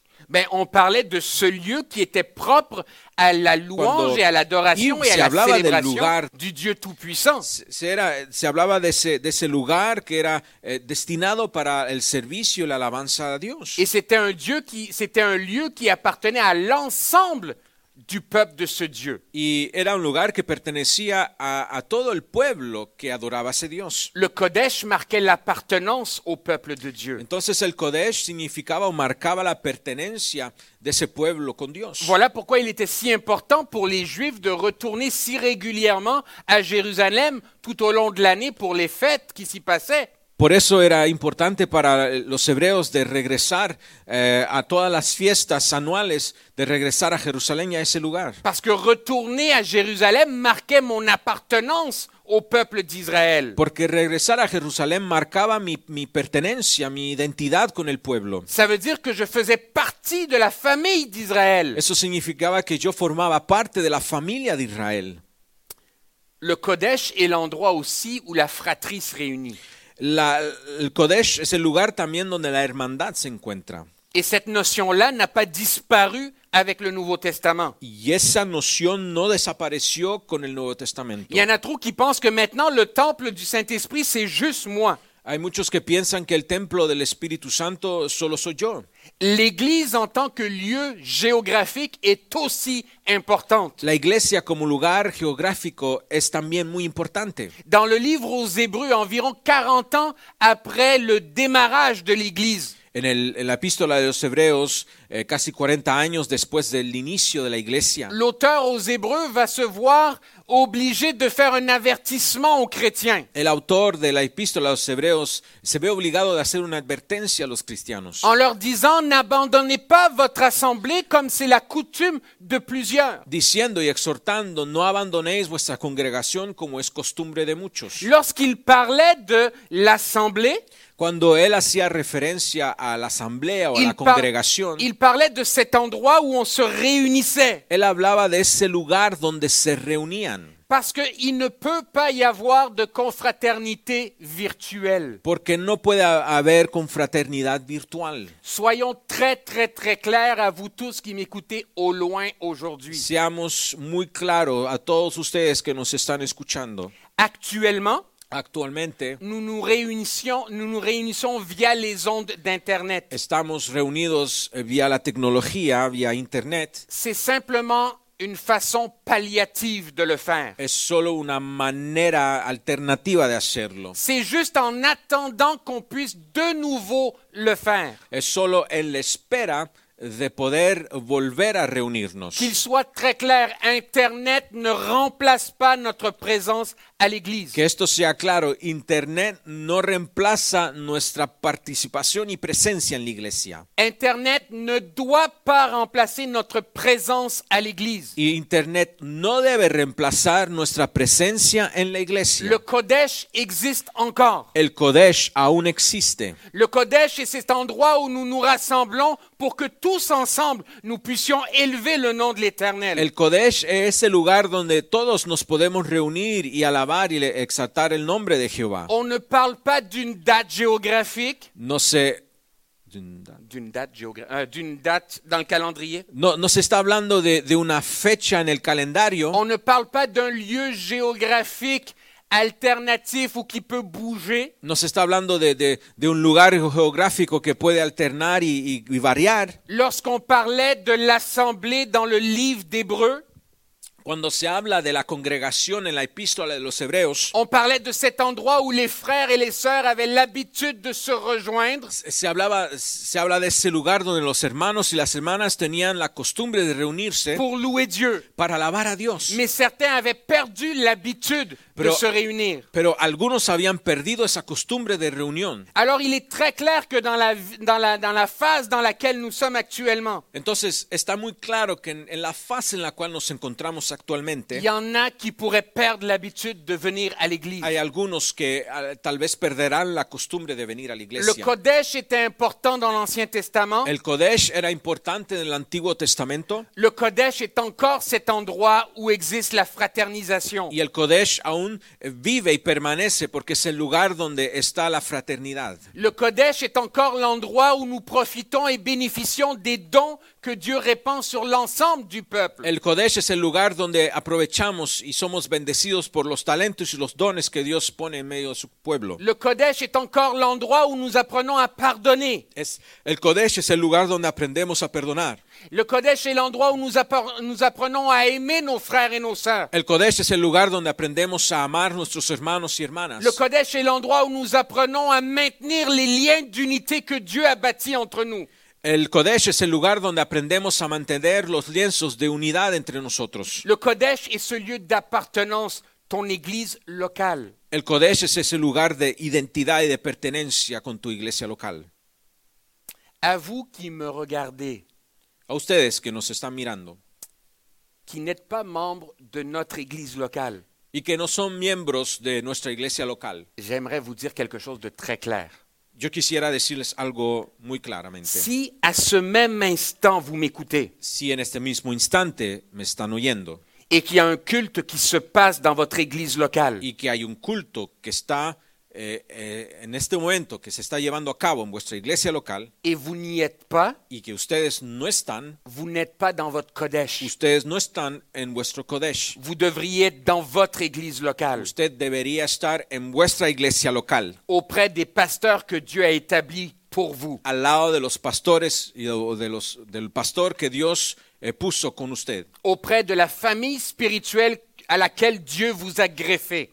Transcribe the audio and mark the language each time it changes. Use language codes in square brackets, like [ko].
[fr] Ben, on parlait de ce lieu qui était propre à la louange et à l'adoration et à la célébration [es] lugar, [fr] du Dieu Tout-Puissant. [es] Se hablaba de ce lugar que era destinado para el servicio y la alabanza a Dios. [fr] Et c'était un lieu qui appartenait à l'ensemble du peuple de ce Dieu. [es] Y era un lugar que pertenecía a todo el pueblo que adoraba a ese Dios. [fr] Le Kodesh marquait l'appartenance au peuple de Dieu. [es] Entonces el Kodesh significaba o marcaba la pertenencia de ese pueblo con Dios. [fr] Voilà pourquoi il était si important pour les Juifs de retourner si régulièrement à Jérusalem tout au long de l'année pour les fêtes qui s'y passaient. [es] Por eso era importante para los hebreos de regresar a todas las fiestas anuales, de regresar a Jerusalén y a ese lugar. [fr] Parce que retourner à Jérusalem marquait mon appartenance au peuple d'Israël. [es] Porque regresar a Jerusalén marcaba mi pertenencia, mi identidad con el pueblo. [fr] Ça veut dire que je faisais partie de la famille d'Israël. [es] Eso significaba que yo formaba parte de la familia de Israel. [fr] Le Kodesh est l'endroit aussi où la fratrie se réunit. [es] El Kodesh es el lugar también donde la hermandad se encuentra. [fr] Et cette notion-là n'a pas disparu avec le Nouveau Testament. [es] Y esa noción no desapareció con el Nuevo Testamento. [fr] Il y en a trop qui pensent que maintenant le temple du Saint-Esprit c'est juste moi. [es] Hay muchos que piensan que el templo del Espíritu Santo solo soy yo. [fr] L'église en tant que lieu géographique est aussi importante. [es] La iglesia como lugar geográfico es también muy importante. [fr] Dans le livre aux Hébreux, environ 40 ans après le démarrage de l'église. [es] en la epístola de los Hebreos, casi 40 años después del inicio de la iglesia. [fr] L'auteur aux Hébreux va se voir obligé de faire un avertissement aux chrétiens. [es] El autor de la epístola de los Hebreos se ve obligado de hacer una advertencia a los cristianos. [fr] En leur disant, n'abandonnez pas votre assemblée comme c'est la coutume de plusieurs. [es] Diciendo y exhortando, no abandonéis vuestra congregación como es costumbre de muchos. [fr] Lorsqu'il parlait de l'assemblée, [es] cuando él hacía referencia a la asamblea o a la congregación, [fr] il parlait de cet endroit où on se réunissait. [es] Él hablaba de ese lugar donde se reunían. [fr] Parce que il ne peut pas y avoir de confraternité virtuelle. [es] Porque no puede haber confraternidad virtual. [fr] Soyons très très très clairs à vous tous qui m'écoutez au loin aujourd'hui. [es] Seamos muy claros a todos ustedes que nos están escuchando. [fr] Actuellement, [es] actualmente, [fr] nous nous réunissons via les ondes d'internet. [es] Estamos reunidos vía la tecnología, vía internet. [fr] C'est simplement une façon palliative de le faire. [es] Es solo una manera alternativa de hacerlo. [fr] C'est juste en attendant qu'on puisse de nouveau le faire. [es] Es solo en la espera de poder volver a reunirnos. [fr] Qu'il soit très clair, internet ne remplace pas notre présence à l'église. [es] Que esto sea claro, internet no reemplaza nuestra participación y presencia en la iglesia. [fr] Internet ne doit pas remplacer notre présence à l'église. [es] Y internet no debe reemplazar nuestra presencia en la iglesia. [fr] Le Kodesh existe encore. [es] El Kodesh aún existe. [fr] Le Kodesh est cet endroit où nous nous rassemblons pour que tous ensemble nous puissions élever le nom de l'Éternel. [es] El Kodesh es ese lugar donde todos nos podemos reunir y alabar y exaltar el nombre de Jehová. [fr] On ne parle pas d'une date géographique. [es] No sé [fr] d'une date dans le calendrier. [es] No se está hablando de una fecha en el calendario. [fr] On ne parle pas d'un lieu géographique alternatif ou qui peut bouger. [es] No se está hablando de un lugar geográfico que puede alternar y variar. [fr] Lorsqu'on parlait de l'assemblée dans le livre d'Hébreux, [es] cuando se habla de la congregación en la epístola de los Hebreos, [fr] on parlait de cet endroit où les frères et les sœurs avaient l'habitude de se rejoindre. [es] Se habla de ese lugar donde los hermanos y las hermanas tenían la costumbre de reunirse [fr] pour louer Dieu, [es] para alabar a Dios. [fr] Mais certains avaient perdu l'habitude de se réunir. [es] Pero algunos habían perdido esa costumbre de reunión. [fr] Alors il est très clair que dans la phase dans laquelle nous sommes actuellement. [es] Entonces está muy claro que en la fase en la cual nos encontramos actualmente. [fr] Il y en a qui pourraient perdre l'habitude de venir à l'église. [es] Hay algunos que tal vez perderán la costumbre de venir a la iglesia. [fr] Le Kodesh était important dans l'Ancien Testament. [es] El Kodesh era importante en el Antiguo Testamento. [fr] Le Kodesh est encore cet endroit où existe la fraternisation. [es] Y el Kodesh aún vive y permanece porque es el lugar donde está la fraternidad. [fr] Le Kodesh est encore l'endroit où nous profitons et bénéficions des dons que Dieu répand sur l'ensemble du peuple. [es] El Kodesh es el lugar donde aprovechamos y somos bendecidos por los talentos y los dones que Dios pone en medio de su pueblo. [fr] Le Kodesh est encore l'endroit où nous apprenons à pardonner. [es] El Kodesh es el lugar donde aprendemos a perdonar. [fr] Le Kodesh est l'endroit où nous apprenons à aimer nos frères et nos sœurs. [es] El Kodesh es el lugar donde aprendemos a amar nuestros hermanos y hermanas. [fr] Le Kodesh est l'endroit où nous apprenons à maintenir les liens d'unité que Dieu a bâti entre nous. [es] El Kodesh es el lugar donde aprendemos a mantener los lienzos de unidad entre nosotros. [fr] Le Kodesh est ce lieu d'appartenance, ton église locale. [es] El Kodesh es ese lugar de identidad y de pertenencia con tu iglesia local. [fr] A vous qui me regardez. [es] A ustedes que nos están mirando. [fr] Qui n'êtes pas membre de notre église locale. [es] Y que no son miembros de nuestra iglesia local. [fr] J'aimerais vous dire quelque chose de très clair. [es] Yo quisiera decirles algo muy claramente. [fr] Si à ce même instant vous m'écoutez, [es] si en este mismo instante me están oyendo, [fr] et qu'il y a un culte qui se passe dans votre église locale, [es] y que hay un culto que está en este momento que se está llevando a cabo en vuestra iglesia local, [fr] et vous n'y êtes pas, [es] y que ustedes no están, [fr] vous n'êtes pas dans votre Kodesh, [es] ustedes no están en vuestro Kodesh, [fr] vous devriez être dans votre église locale, [es] usted debería estar en vuestra iglesia local, [fr] auprès des pasteurs que Dieu a établis pour vous, [es] al lado de los pastores y del pastor que Dios puso con usted, [fr] auprès de la famille spirituelle à laquelle Dieu vous a greffé.